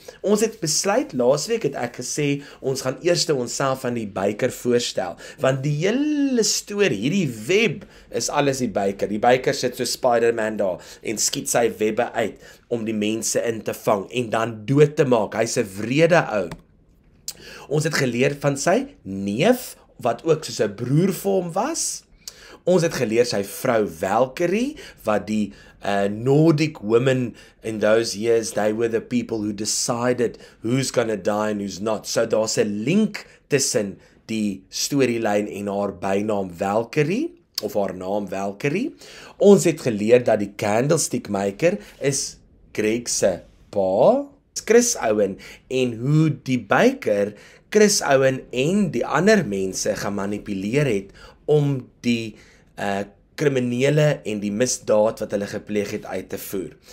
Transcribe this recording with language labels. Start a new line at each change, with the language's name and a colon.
Afrikaans: Ons het besluit, laasweek het ek gesê, ons gaan eers onsself aan die byker voorstel, want die hele storie, hierdie web, is alles die byker. Die byker sit so Spider-Man daar en skiet sy webbe uit om die mense in te vang en dan dood te maak. Hy's 'n wrede ou. Ons het geleer van sy neef, wat ook soos 'n broer vir hom was. Ons het geleer sy vrou Valkyrie, wat die
English: Nordic women in those years, they were the people who decided who's gonna die and who's not.
Afrikaans: So daar's 'n link tussen die storielyn en haar bynaam Valkyrie, of haar naam Valkyrie. Ons het geleer dat die candlestick maker is Greg se pa, Chris Owen, en hoe die byker Chris Owen en die ander mense gemanipuleer het om die kriminele en die misdaad wat hulle gepleeg het uit te voer.